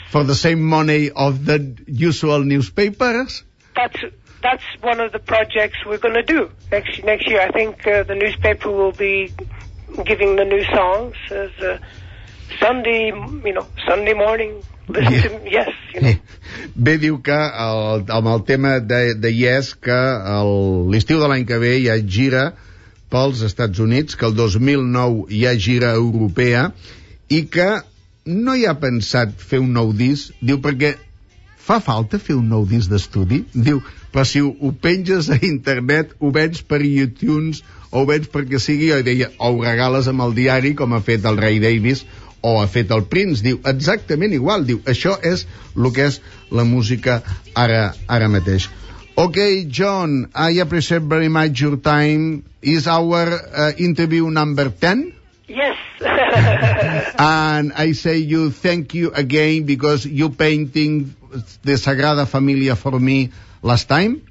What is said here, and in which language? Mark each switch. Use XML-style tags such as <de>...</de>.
<en>For the same money of the usual newspapers. That's one of the projects we're going to do next year. I think the newspaper will be giving the new songs as a Sunday morning. Yes.</en> <ca>Bé, diu que amb el tema de Yes, que l'estiu de l'any que ve ja gira pels Estats Units, que el 2009 ja gira europea, i que no hi ha pensat fer un nou disc, diu, perquè fa falta fer un nou disc d'estudi, diu, però si ho penges a internet, ho vens per iTunes, o ho vens perquè sigui, jo deia, o ho regales amb el diari, com ha fet el Ray Davies, o ha fet el Prince, diu, exactament igual, diu, això és el que és la música ara mateix.</ca> <en>Ok, John, I appreciate very much your time. Is our interview number 10? Yes. And I say you thank you again because you painting the Sagrada Família for me last time.</en>